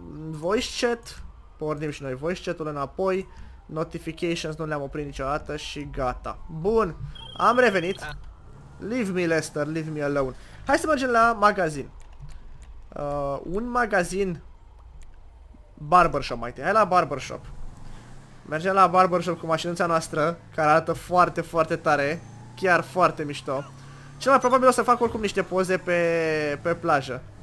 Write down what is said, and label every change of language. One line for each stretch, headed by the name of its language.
Romanian: Voice chat, pornim și noi voice chat-ul înapoi. Notifications nu le-am oprit niciodată și gata. Bun, am revenit.
English: Leave me, Lester, leave me alone.
Romanian: Hai să mergem la magazin. Un magazin. Barbershop, mai tine. Hai la barbershop. Mergem la barbershop cu mașinuța noastră, care arată foarte, foarte tare. Chiar foarte mișto. Cel mai probabil o să fac oricum niște poze pe plajă.